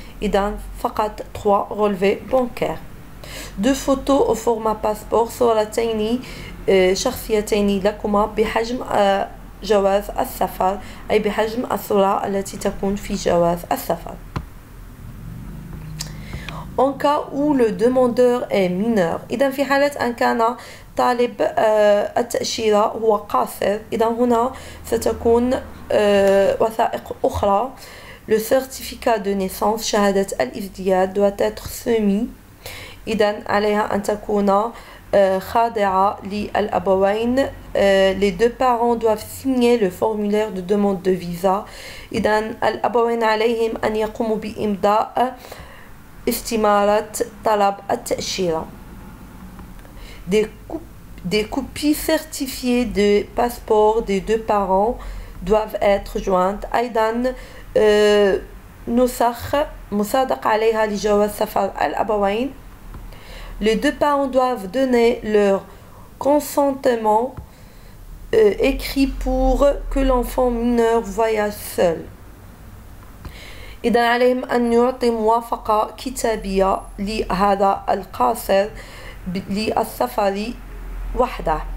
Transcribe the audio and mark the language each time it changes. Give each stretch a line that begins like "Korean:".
Arabic: إذا فقط 3 غولفي بونكير.
French: دو فوتو او فورما باسبور
Arabic: صورتين شخصيتين لكما بحجم جواز السفر أي بحجم الصورة التي تكون في جواز السفر.
French: En cas où le demandeur est mineur.
Arabic: إذا في حالة أن كان طالب التأشيرة هو قاصر. إذا هنا ستكون وثائق أخرى.
French: Le certificat de naissance,
Arabic: شهادة الإزدياد,
French: doit être soumis.
Arabic: إذا عليها أن تكون خاضعة للأبوين.
French: Les deux parents doivent signer le formulaire de demande de visa.
Arabic: إذا الأبوين عليهم أن يقوموا بإمضاء استمارة طلب التأشيرة.
French: Des copies certifiées de passeport des deux parents doivent être jointes.
Arabic: أيضا نسخ مصادق عليها لجواز سفر الأبوين.
French: Les deux parents doivent donner leur consentement écrit pour que l'enfant mineur voyage seul.
Arabic: إذن عليهم أن يعطي موافقة كتابية لهذا القاصر للسفر وحده.